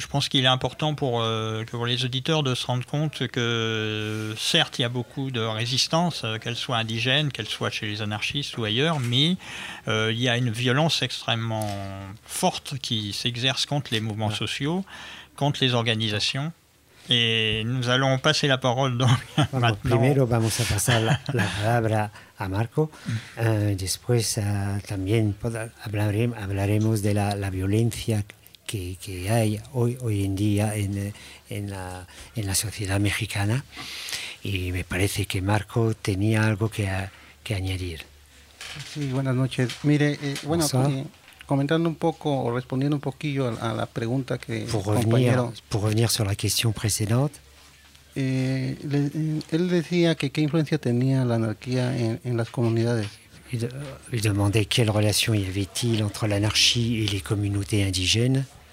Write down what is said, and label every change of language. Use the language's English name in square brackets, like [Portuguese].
[French] Je pense qu'il est important pour les auditeurs de se rendre compte que certes, il y a beaucoup de résistance, qu'elle soit indigène, qu'elle soit chez les anarchistes ou ailleurs, mais il y a une violence extrêmement forte qui s'exerce contre les mouvements sociaux, contre les organisations. Et nous allons passer la parole donc maintenant. [Spanish] Primero vamos a pasar la palabra a Marco. Después también hablaremos de la violencia que hay hoy en día en la sociedad mexicana. Y me parece que Marco tenía algo que añadir. Sí, buenas noches. Mire, comentando un poco o respondiendo un poquillo a la pregunta que por revenir sobre la cuestión precedente, él decía que qué influencia tenía la anarquía en las comunidades. [French] Il demandait quelle relation y avait-il entre l'anarchie et les communautés indigènes.